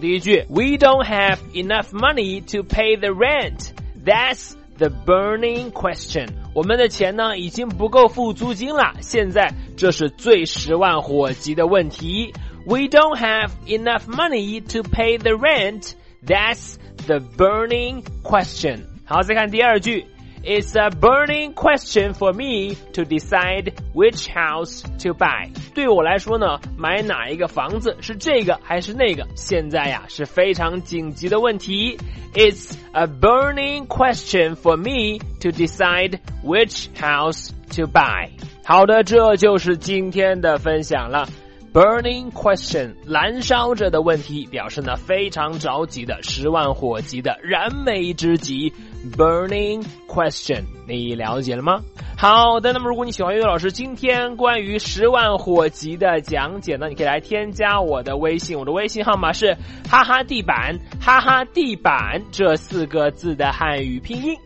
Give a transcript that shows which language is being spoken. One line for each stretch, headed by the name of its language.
Chinese: 第一句，
English: We don't have enough money to pay the rent, that's the burning question。
Chinese: 我们的钱呢已经不够付租金了，现在这是最十万火急的问题。
English: We don't have enough money to pay the rent, that's the burning question。
Chinese: 好，再看第二句，
English: It's a burning question for me to decide which house to buy。
Chinese: 对我来说呢，买哪一个房子，是这个还是那个，现在呀是非常紧急的问题。
English: It's a burning question for me to decide which house to buy。
Chinese: 好的，这就是今天的分享了。 Burning question 燃烧着的问题，表示呢非常着急的，十万火急的，燃眉之急， Burning question。你了解了吗？好的，那么如果你喜欢悠悠老师今天关于十万火急的讲解呢，你可以来添加我的微信，我的微信号码是哈哈地板，哈哈地板这四个字的汉语拼音。